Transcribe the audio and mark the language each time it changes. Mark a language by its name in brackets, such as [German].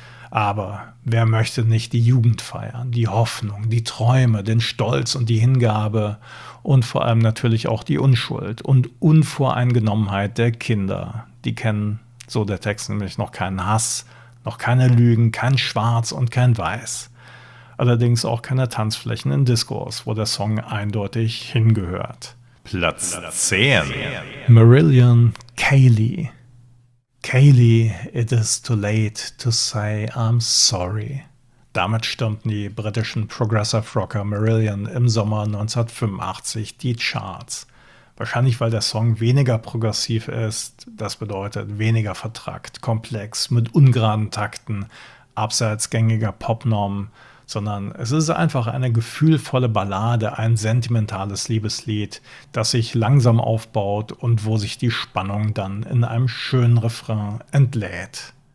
[German] Aber wer möchte nicht die Jugend feiern? Die Hoffnung, die Träume, den Stolz und die Hingabe und vor allem natürlich auch die Unschuld und Unvoreingenommenheit der Kinder. Die kennen, so der Text nämlich, noch keinen Hass, noch keine Lügen, kein Schwarz und kein Weiß. Allerdings auch keine Tanzflächen in Discos, wo der Song eindeutig hingehört. Platz 10. Marillion, Kaylee. [English] Kaylee, it is too late to say I'm sorry. [German] Damit stürmten die britischen Progressive Rocker Marillion im Sommer 1985 die Charts. Wahrscheinlich, weil der Song weniger progressiv ist, das bedeutet weniger vertrackt, komplex, mit ungeraden Takten, abseits gängiger Popnormen, sondern es ist einfach eine gefühlvolle Ballade, ein sentimentales Liebeslied, das sich langsam aufbaut und wo sich die Spannung dann in einem schönen Refrain entlädt.